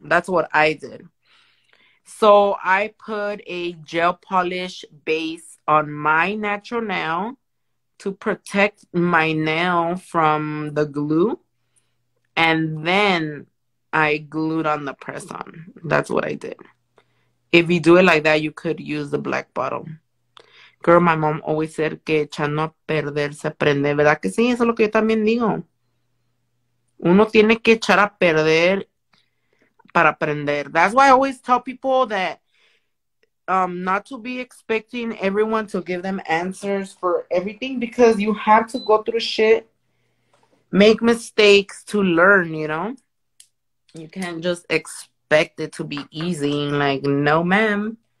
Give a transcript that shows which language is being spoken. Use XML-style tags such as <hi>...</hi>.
<en>That's what I did. So I put a gel polish base on my natural nail to protect my nail from the glue, and then I glued on the press on. That's what I did. If you do it like that, you could use the black bottle. Girl, my mom always said</en> <es>que echando a perder se aprende, ¿verdad que sí? Eso es lo que yo también digo. Uno tiene que echar a perder para aprender.</es> <en>That's why I always tell people that not to be expecting everyone to give them answers for everything, because you have to go through shit, make mistakes to learn, you know? You can't just expect it to be easy. Like, no, ma'am.</en>